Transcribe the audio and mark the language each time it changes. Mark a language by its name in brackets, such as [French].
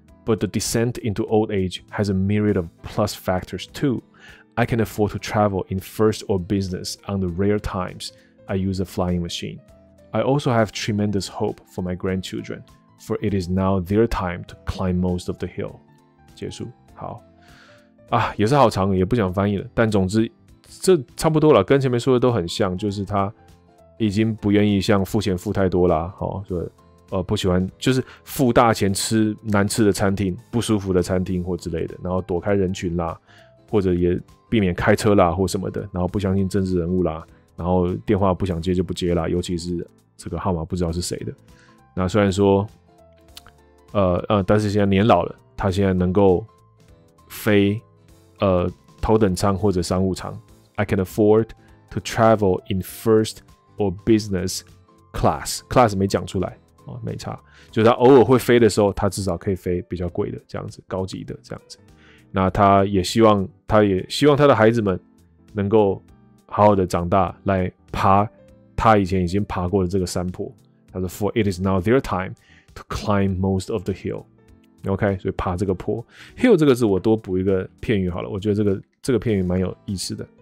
[English] But the descent into old age has a myriad of plus factors too. I can afford to travel in first or business on the rare times I use a flying machine. I also have tremendous hope for my grandchildren, for it is now their time to climb most of the hill. [Chinese] 结束，好啊，也是好长，也不想翻译了。但总之，这差不多了，跟前面说的都很像，就是他已经不愿意像付钱付太多了，哦，对。不喜欢就是付大钱吃难吃的餐厅、不舒服的餐厅或之类的，然后躲开人群啦，或者也避免开车啦或什么的，然后不相信政治人物啦，然后电话不想接就不接啦，尤其是这个号码不知道是谁的。那虽然说，但是现在年老了，他现在能够飞头等舱或者商务舱 ， [English] I can afford to travel in first or business class。 [Chinese] class 没讲出来。没差，就是他偶尔会飞的时候，他至少可以飞比较贵的这样子，高级的这样子。那他也希望，他也希望他的孩子们能够好好的长大，来爬他以前已经爬过的这个山坡。他说 [English] ，For it is now their time to climb most of the hill。 [Chinese] OK， 所以爬这个坡 ，hill 这个字我多补一个片语好了，我觉得这个片语蛮有意思的。